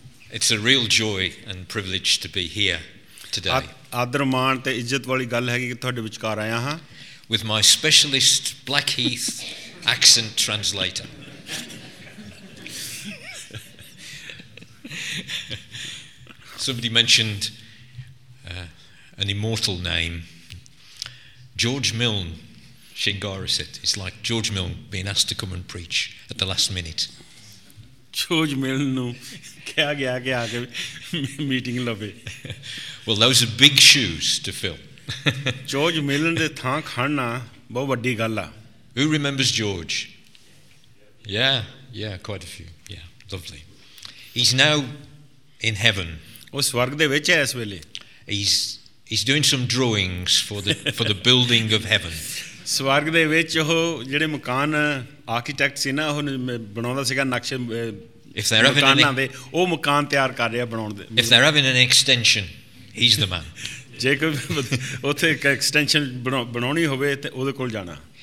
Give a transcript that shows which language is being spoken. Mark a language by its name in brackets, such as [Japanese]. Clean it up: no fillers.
[English] It's a real joy and privilege to be here today. [Punjabi] ਆਦਰ ਮਾਣ ਤੇ ਇੱਜ਼ਤ ਵਾਲੀ ਗੱਲ ਹੈਗੀ ਕਿ ਤੁਹਾਡੇ ਵਿਚਕਾਰ ਆਇਆ ਹਾਂ [English] with my specialist Blackheath accent translator. Somebody mentioned an immortal name, George Milne. Shingara said, it's like George Milne being asked to come and preach at the last minute. [Punjabi] George Milne nu kya gaya ke aake meeting labe. [English] Well, those are big shoes to fill. [Punjabi] George Milne de thaan khanna bahut vaddi gall aa. [English] Who remembers George? Yeah, quite a few. Yeah, lovely. He's now in heaven. [Punjabi] Oh, swarg de vich hai is vele. [English] He's doing some drawings for the building of heaven. [Punjabi] ਸਵਰਗ ਦੇ ਵਿੱਚ ਉਹ ਜਿਹੜੇ ਮਕਾਨ architect ਸੀ ਨਾ ਉਹ ਬਣਾਉਂਦਾ ਸੀਗਾ ਨਕਸ਼ੇ ਮਕਾਨਾਂ ਦੇ ਉਹ ਮਕਾਨ ਤਿਆਰ ਕਰ ਰਿਹਾ ਬਣਾਉਣ ਦੇ [English] if they are having an extension he is the man [Punjabi] ਜੇ ਕੋਈ ਉੱਥੇ ਇੱਕ ਐਕਸਟੈਂਸ਼ਨ ਬਣਾਉਣੀ ਹੋਵੇ ਤਾਂ ਉਹਦੇ ਕੋਲ ਜਾਣਾ